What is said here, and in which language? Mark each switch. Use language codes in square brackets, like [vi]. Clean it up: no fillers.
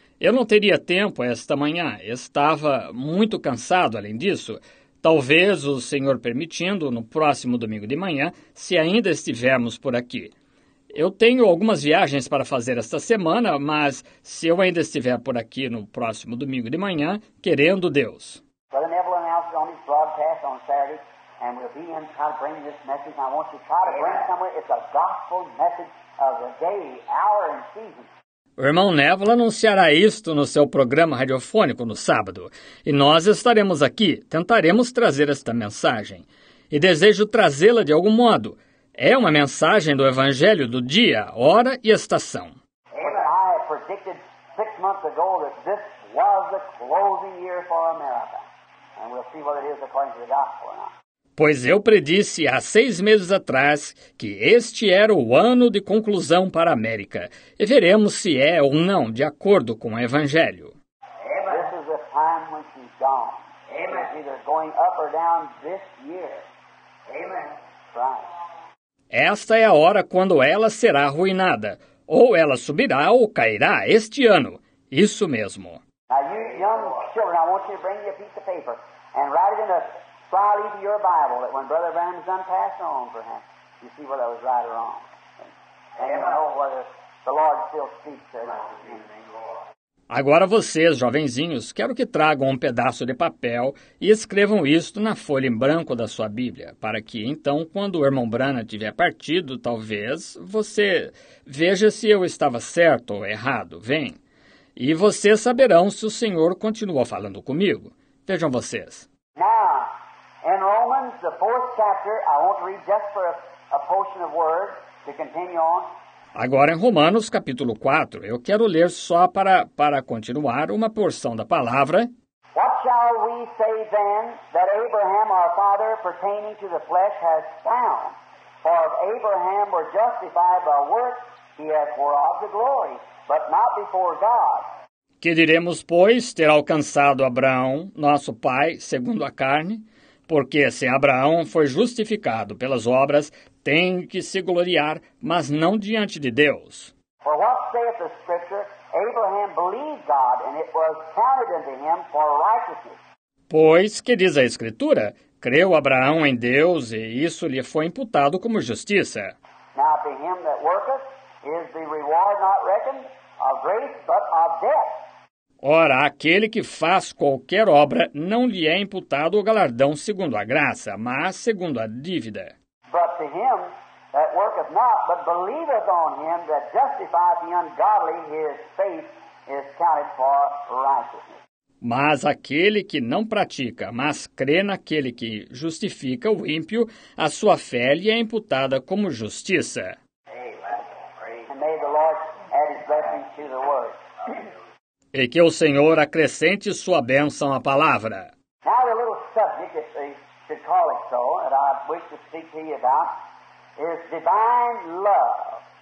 [pt] Eu não teria tempo esta manhã, estava muito cansado além disso. Talvez o Senhor permitindo, no próximo domingo de manhã, se ainda estivermos por aqui. Eu tenho algumas viagens para fazer esta semana, mas se eu ainda estiver por aqui no próximo domingo de manhã, querendo Deus. [en] Brother Neville announced on his broadcast on Saturday, and we'll be in trying to bring this message. I want you to try to bring somewhere. It's a gospel message of the day, hour, and season. [pt] O irmão Neville anunciará isto no seu programa radiofônico no sábado. E nós estaremos aqui, tentaremos trazer esta mensagem. E desejo trazê-la de algum modo. É uma mensagem do Evangelho do dia, hora e estação. [en] Amen. I predicted 6 months ago that this was the closing year for America. And we'll see whether it is according to the gospel or not. [pt] Pois eu predisse há 6 meses atrás que este era o ano de conclusão para a América. E veremos se é ou não, de acordo com o Evangelho. [en] This is the time when she's gone. Amen. She's either going up or down this year. Amen. Right. [pt] Esta é a hora quando ela será arruinada. Ou ela subirá ou cairá este ano. Isso mesmo. [en] Now, you young children, I want you to bring me a piece of paper and write it in a fly to your Bible that when Brother Branham's done passed on for him, you see whether I was right or wrong. And you know whether the Lord still speaks or not. [pt] Agora vocês, jovenzinhos, quero que tragam um pedaço de papel e escrevam isto na folha em branco da sua Bíblia, para que então, quando o irmão Branham tiver partido, talvez, você veja se eu estava certo ou errado, vem. E vocês saberão se o Senhor continua falando comigo. Vejam vocês. [en] Now, in Romans, the fourth chapter, I want to read just for a portion of word to continue on. [pt] Agora, em Romanos, capítulo 4, eu quero ler só para continuar uma porção da palavra. [en] What shall we say then that Abraham, our father, pertaining to the flesh, has found? For if Abraham were justified by works, he hath wrought the glory, but not before God. [pt] Que diremos, pois, ter alcançado Abraão, nosso pai, segundo a carne? Porque se Abraão foi justificado pelas obras, tem que se gloriar, mas não diante de Deus. [en] For what saith the scripture, Abraham believed God, and it was counted unto him for righteousness. [pt] Pois, que diz a Escritura? Creu Abraão em Deus, e isso lhe foi imputado como justiça. [en] Now to him that worketh is the reward not reckoned of grace, but of debt. [pt] Ora, aquele que faz qualquer obra não lhe é imputado o galardão segundo a graça, mas segundo a dívida. [en] But to him that worketh not, but believeth on him that justifies the ungodly, his faith is counted for righteousness. [pt] Mas aquele que não pratica, mas crê naquele que justifica o ímpio, a sua fé lhe é imputada como justiça. [en] And may the Lord add his blessing to the word. [pt] E que o Senhor acrescente sua bênção à palavra. [en] Now the little subject, if they should call it so, that I wish to speak to you about, is divine love.